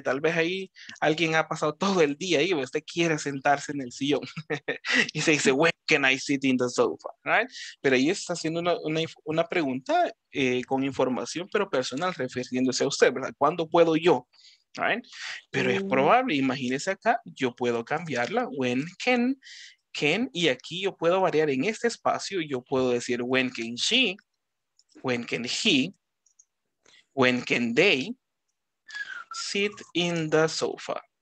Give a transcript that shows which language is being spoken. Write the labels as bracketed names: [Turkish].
[Spanish] Tal vez ahí alguien ha pasado todo el día y usted quiere sentarse en el sillón. Y se dice, [English] when can I sit in the sofa, right? [Spanish] Pero ahí está haciendo una pregunta con información, pero personal, refiriéndose a usted, ¿verdad? ¿Cuándo puedo yo? Right? Pero es probable, imagínese acá, yo puedo cambiarla, [English] when can, [Spanish] y aquí yo puedo variar en este espacio, yo puedo decir [English] when can she, when can he, when can they sit in the sofa.